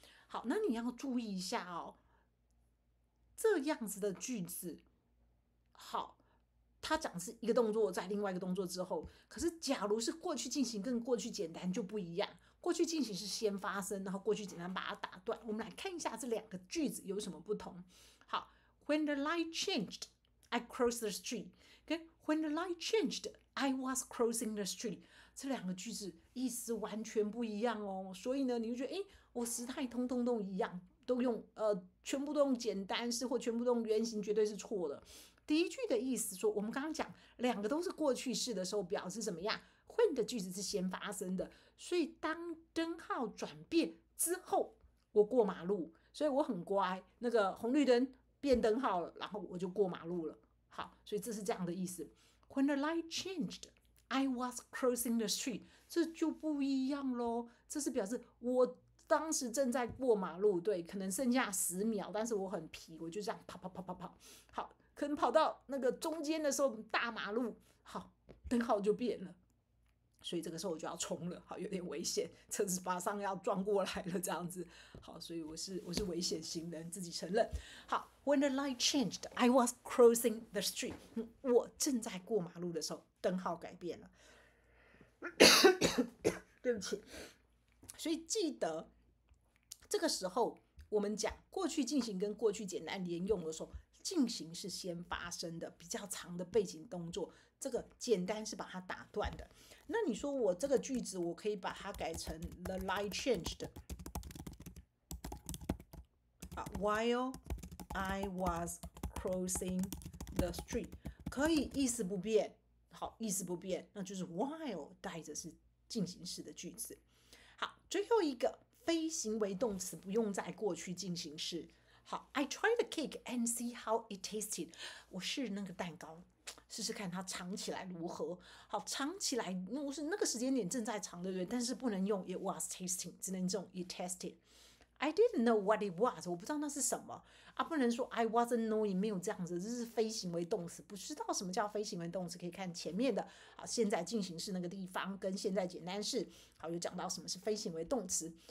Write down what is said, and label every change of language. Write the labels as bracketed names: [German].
[Chinese] 好，那你要注意一下哦，这样子的句子，好，它讲是一个动作在另外一个动作之后，可是假如是过去进行跟过去简单就不一样，过去进行是先发生，然后过去简单把它打断。我们来看一下这两个句子有什么不同。 [English] 好， When the light changed, I crossed the street. Okay, When the light changed,I was crossing the street. [Chinese] 这两个句子意思完全不一样哦，所以呢，你就觉得，我时态通通都一样，都用全部都用简单式或全部都用原型，绝对是错的。第一句的意思说，我们刚刚讲两个都是过去式的时候，表示怎么样 ？When 的句子是先发生的，所以当灯号转变之后，我过马路，所以我很乖，那个红绿灯变灯号了，然后我就过马路了。好，所以这是这样的意思。 [English] When the light changed, I was crossing the street. [Chinese] 这就不一样咯，这是表示我当时正在过马路，对，可能剩下十秒，但是我很皮，我就这样跑跑跑跑跑。好，可能跑到那个中间的时候，大马路，好，灯号就变了，所以这个时候我就要冲了，好，有点危险，车子马上要撞过来了，这样子。好，所以我是危险行人，自己承认。好。 [English] When the light changed, I was crossing the street. [Chinese] 我正在过马路的时候，灯号改变了。对不起。所以记得，这个时候我们讲过去进行跟过去简单连用的时候，进行是先发生的，比较长的背景动作，这个简单是把它打断的。那你说我这个句子，我可以把它改成 [English] the light changed. While I was crossing the street. [Chinese] 可以意思不变。好，意思不变。那就是 while 带着是进行式的句子。好，最后一个非行为动词不用在过去进行式。 [English] 好， I tried the cake and see how it tasted. [Chinese] 我试那个蛋糕，试试看它尝起来如何。好，尝起来，那是那个时间点正在尝，对不对？但是不能用 [English] it was tasting, [Chinese] 只能用 [English] it tasted。 I didn't know what it was， [Chinese] 我不知道那是什么啊，不能说 [English] I wasn't knowing， [Chinese] 没有这样子，这是非行为动词，不知道什么叫非行为动词，可以看前面的啊，现在进行式那个地方跟现在简单式，好，有讲到什么是非行为动词。